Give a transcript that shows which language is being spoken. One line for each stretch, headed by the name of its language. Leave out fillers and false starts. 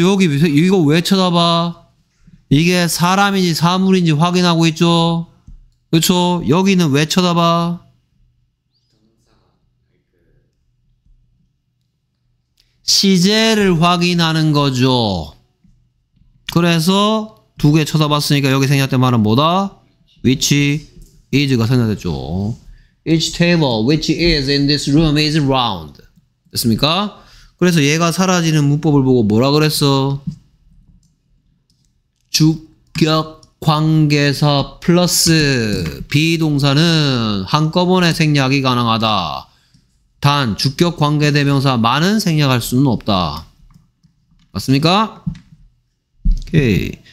Korean: 여기 이거 왜 쳐다봐? 이게 사람인지 사물인지 확인하고 있죠? 그렇죠? 여기는 왜 쳐다봐? 시제를 확인하는 거죠. 그래서 두 개 쳐다봤으니까 여기 생략된 말은 뭐다? Which is가 생략됐죠.
English: Each table which is in this room is round.
Korean: 됐습니까? 그래서 얘가 사라지는 문법을 보고 뭐라 그랬어? 주격 관계사 플러스 비동사는 한꺼번에 생략이 가능하다. 단 주격 관계대명사 만은 생략할 수는 없다. 맞습니까? 오케이.